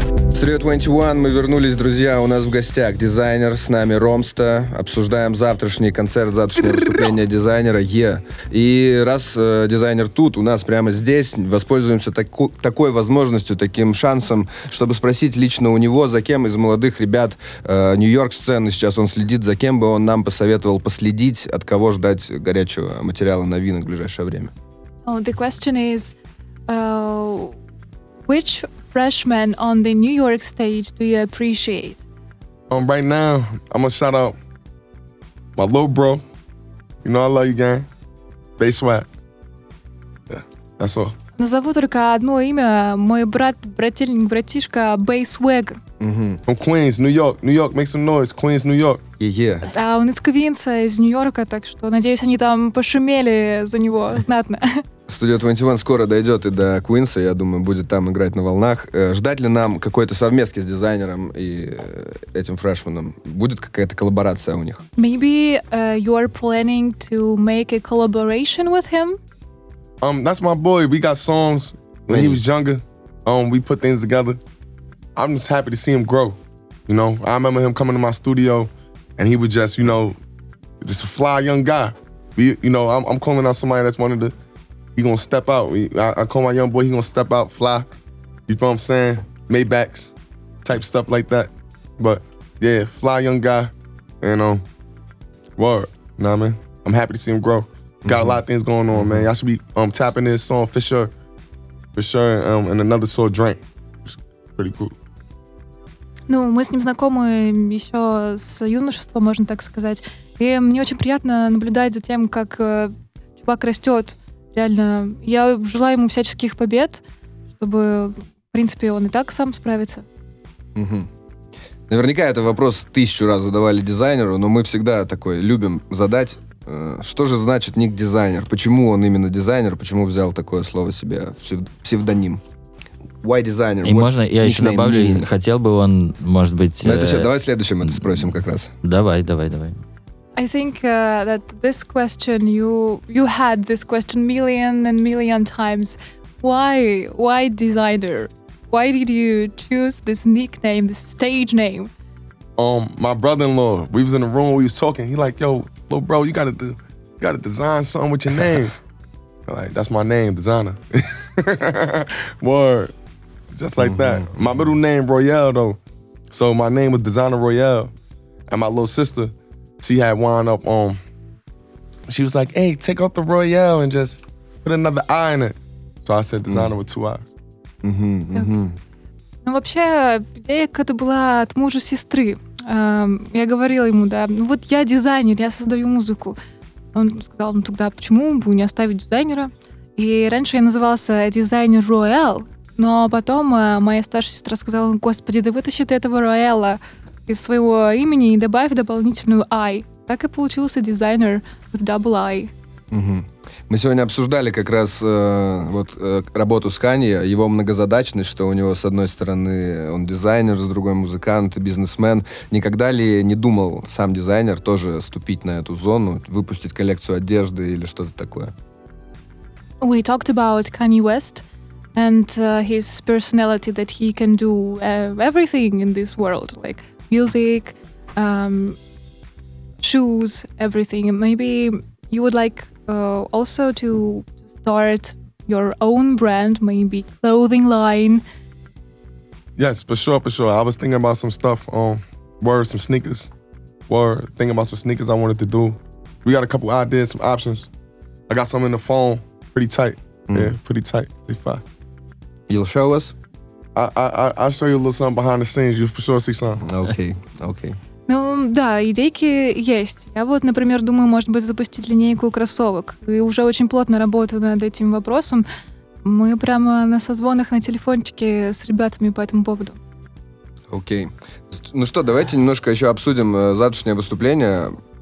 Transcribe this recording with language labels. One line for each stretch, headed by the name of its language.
Russian: Studio 21, мы вернулись, друзья, у нас в гостях дизайнер, с нами Ромста, обсуждаем завтрашний концерт, завтрашнее выступление дизайнера, и раз дизайнер тут, у нас прямо здесь, воспользуемся такой возможностью, таким шансом, чтобы спросить лично у него, за кем из молодых ребят Нью-Йорк-сцены сейчас он следит, за кем бы он нам посоветовал последить, от кого ждать горячего материала, новинок в ближайшее время.
English: The question is, which freshman on the New York stage do you appreciate? Right now, I'm gonna shout out my little bro. You know I love you, gang. Bass Swag. Yeah, that's all.
Russian: Назову только одно имя. Мой брат, брательник, братишка, Bass Swag.
English: From Queens, New York. New York, make some noise. Queens, New York. Yeah, yeah.
Russian: Да, он из Квинса, из Нью-Йорка, так что надеюсь, они там пошумели за него знатно. Studio 21 скоро дойдет и до Квинса, я думаю, будет там играть на волнах. Ждать ли нам какой-то совместки с дизайнером и этим фрешменом? Будет какая-то коллаборация у них?
English: Maybe you are planning to make a collaboration with him? That's my boy. We got songs when he was younger. We put things together. I'm just happy to see him grow. You know, I remember him coming to my studio and he was just, you know, just a fly young guy. I'm calling out somebody that's one of the, he gonna step out. I call my young boy, he gonna step out, fly. You know what I'm saying? Maybachs type stuff like that. But yeah, fly young guy. And word, you know what I mean? I'm happy to see him grow. Got a lot of things going on, man. Y'all should be tapping this song for sure. For sure, and another soul drink. It's pretty cool.
Russian: Ну, мы с ним знакомы еще с юношества, можно так сказать. И мне очень приятно наблюдать за тем, как чувак растет. Реально, я желаю ему всяческих побед, чтобы, в принципе, он и так сам справится. Угу. Наверняка этот вопрос тысячу раз задавали дизайнеру, но мы всегда такой любим задать, что же значит ник дизайнер? Почему он именно дизайнер? Почему взял такое слово себе, псевдоним?
English: Why designer?
Russian: И
English: what's
Russian: можно, я еще добавлю,
English: meaning?
Russian: Хотел бы он, может быть... Это все, давай в следующем это спросим как раз. Давай, давай, давай.
English: I think that this question, you had this question million and million times. Why designer? Why did you choose this nickname, this stage name? My brother-in-law, we was in the room, we was talking. He like, yo, little bro, you gotta design something with your name. Like, that's my name, designer. Word. Just like that. My middle name, Royale, though. So my name was Designer Royale. And my little sister, she had wound up on. She was like, hey, take off the Royale and just put another I in it. So I said Designer with two I's.
Russian: Ну, вообще, идея какая-то была от мужа сестры. Я говорила ему, да, вот я дизайнер, я создаю музыку. Он сказал, ну тогда почему бы не оставить дизайнера? И раньше я назывался Designer Royale. Но потом моя старшая сестра сказала, господи, да вытащи ты этого Роэла из своего имени и добавь дополнительную I. Так и получился дизайнер с
English: double I.
Russian: Угу. Мы сегодня обсуждали как раз работу с Канье, его многозадачность, что у него с одной стороны он дизайнер, с другой музыкант, бизнесмен. Никогда ли не думал сам дизайнер тоже ступить на эту зону, выпустить коллекцию одежды или что-то такое?
English: We talked about Kanye West. And his personality, that he can do everything in this world, like music, shoes, everything. Maybe you would like also to start your own brand, maybe clothing line. Yes, for sure, for sure. I was thinking about some stuff, some sneakers. Were thinking about some sneakers I wanted to do. We got a couple ideas, some options. I got some in the phone, pretty tight. Yeah, pretty tight. They fine. You'll show us? I'll show you a little something behind the scenes. You for sure see something. Okay, okay.
Russian: Ну, да, идейки есть. Я вот, например, думаю, может быть, запустить линейку кроссовок. И уже очень плотно работаю над этим вопросом. Мы прямо на созвонах на телефончике с ребятами по этому поводу. Окей. Ну что, давайте немножко еще обсудим завтрашнее выступление.